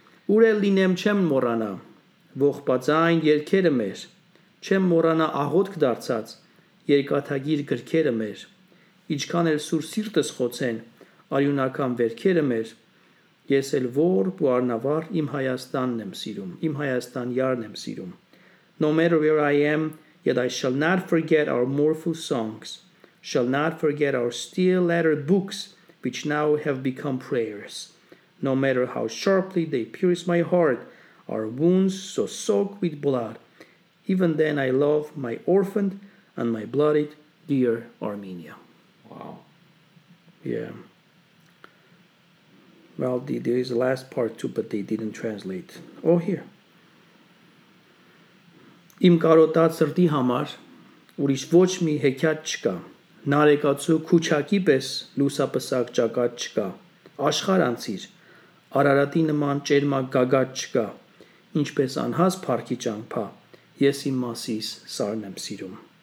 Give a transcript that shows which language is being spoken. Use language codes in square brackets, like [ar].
[hy] Ուրել լինեմ չեմ մոռանա, ողբաձայն երգերը մեր, չեմ մորանա աղոտք դարձած երկաթագիր գրքերը մեր, ինչքան էլ սուր սիրտս խոցեն արյունական վերքերը մեր, ես էլ որբ ու արնավառ իմ Հայաստանն եմ սիրում, իմ Հայաստան յարն եմ սիրում. [en] No matter where I am, yet I shall not forget our mournful songs, shall not forget our steel-lettered books, which now have become prayers. No matter how sharply they pierce my heart, our wounds so soaked with blood, even then I love my orphaned and my bloodied dear Armenia. Wow. Yeah. Well, there is the last part too, but they didn't translate. Oh, here. [hy] Իմ կարոտած սրտի համար ուրիշ ոչ մի հեքիաթ չկա, նարեկացու քուչակի պես լուսապսակ ճակատ չկա, աշխարհ անցիր, Արարատի նման ճերմակ գագաթ չկա, ինչպես անհաս փառքի ճամփա, ես իմ մասիս սարն եմ սիրում.